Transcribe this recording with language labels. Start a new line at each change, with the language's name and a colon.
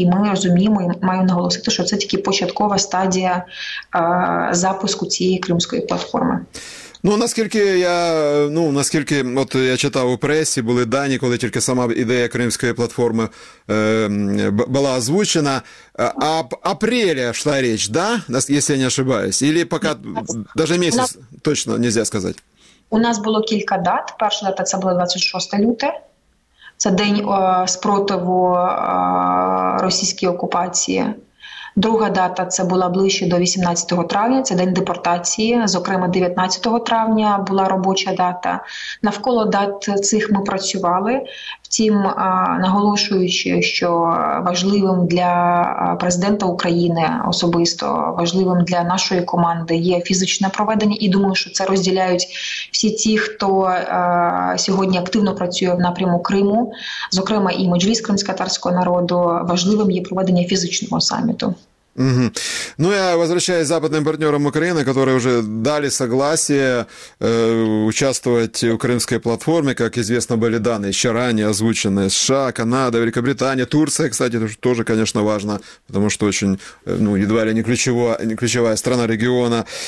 Ukrainian: І ми розуміємо, і маю наголосити, що це тільки початкова стадія запуску цієї Кримської платформи. Ну, наскільки я, от я читав у пресі, були дані, коли тільки сама ідея Кримської платформи була озвучена, а
Russian: об апреля
Ukrainian: йшла річ, да? Якщо я не
Russian: ошибаюсь, или пока даже
Ukrainian: місяць
Russian: точно нельзя сказать.
Ukrainian: У нас було кілька дат. Перша дата це була 26 лютого. Це день спротиву російській окупації. Друга дата – це була ближче до 18 травня, це день депортації. Зокрема, 19 травня була робоча дата. Навколо дат цих ми працювали, втім, наголошуючи, що важливим для президента України особисто, важливим для нашої команди є фізичне проведення. І думаю, що це розділяють всі ті, хто сьогодні активно працює в напрямку Криму. Зокрема, і Меджліс кримськотатарського народу, важливим є проведення фізичного саміту. Угу.
Russian: Ну, я возвращаюсь к западным партнерам Украины, которые уже дали согласие участвовать в Крымской платформе. Как известно, были данные еще ранее озвученные США, Канада, Великобритания, Турция, кстати, тоже, конечно, важно, потому что очень, едва ли не ключевая страна региона.